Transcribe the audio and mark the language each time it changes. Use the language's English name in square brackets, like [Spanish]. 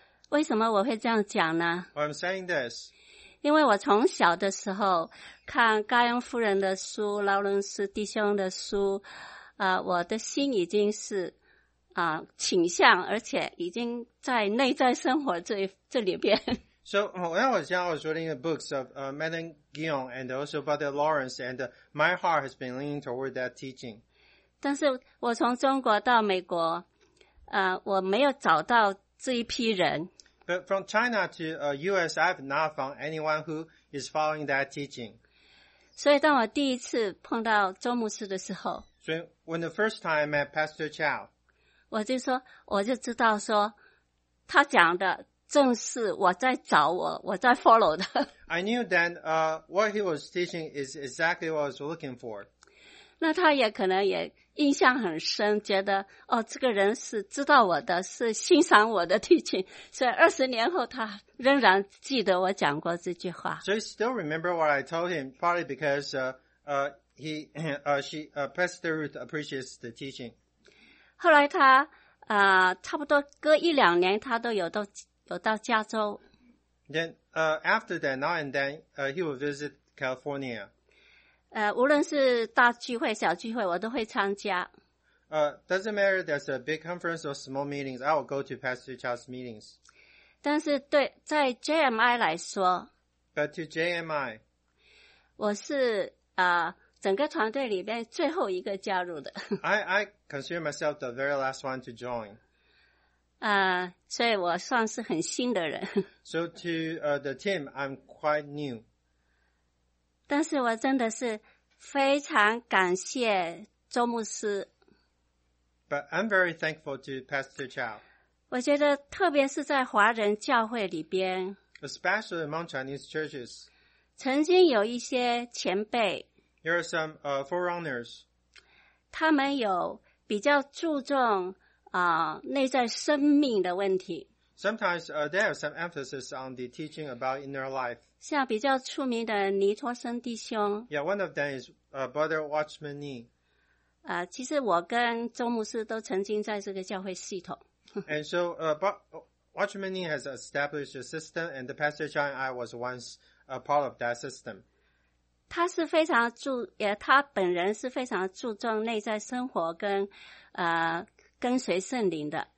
[Chinese] 为什么我会这样讲呢? [English] Well, I'm saying this. [Chinese] 因为我从小的时候看高阳夫人的书，劳伦斯弟兄的书，我的心已经是倾向，而且已经在内在生活这里边。 [English] So when I was young, I was reading the books of Madame Guyon and also Brother Lawrence, and my heart has been leaning toward that teaching. [Chinese] 但是我从中国到美国，我没有找到这一批人。 [English] But from China to U.S., I have not found anyone who is following that teaching. [Chinese] 所以当我第一次碰到周牧师的时候 [English] ，So when the first time I met Pastor Chow， [Chinese] 我就知道说他讲的。正是我在找我在 follow 的。 [English] I knew that what he was teaching is exactly what I was looking for. [Chinese] 那他也可能也印象很深，觉得哦，这个人是知道我的，是欣赏我的 teaching， 所以20年后他仍然记得我讲过这句话。 [English] So he still remember what I told him, partly because Pastor Ruth appreciates the teaching. [Chinese] 后来他差不多隔一两年，他都有到。走到加州。 [English] Then, after that, now and then, he will visit California. [Chinese] 无论是大聚会、小聚会，我都会参加。 [English] Doesn't matter there's a big conference or small meetings, I will go to Pastor Charles' meetings. [Chinese] 但是对，在 JMI 来说。 [English] But to JMI. [Chinese] 我是整个团队里面最后一个加入的。 [English] I consider myself the very last one to join. [Chinese] 所以我算是很新的人。 [English] So to the team, I'm quite new. [Chinese] 但是我真的是非常感谢周牧师。 [English] But I'm very thankful to Pastor Chow. [Chinese] 我觉得特别是在华人教会里边。 [English] Especially among Chinese churches. [Chinese] 曾经有一些前辈。 [English] There are some forerunners. [Chinese] 他们有比较注重内在生命的问题。 [English] Sometimes, there are some emphasis on the teaching about inner life. [Chinese] 像比较出名的尼托森弟兄。 [English] Yeah, one of them is, Brother Watchman Nee. [Chinese] 其实我跟周牧师都曾经在这个教会系统。 [English] And so, Watchman Nee has established a system, and the Pastor John and I was once a part of that system. [Chinese] 他是非常他本人是非常注重内在生活跟跟随圣灵的。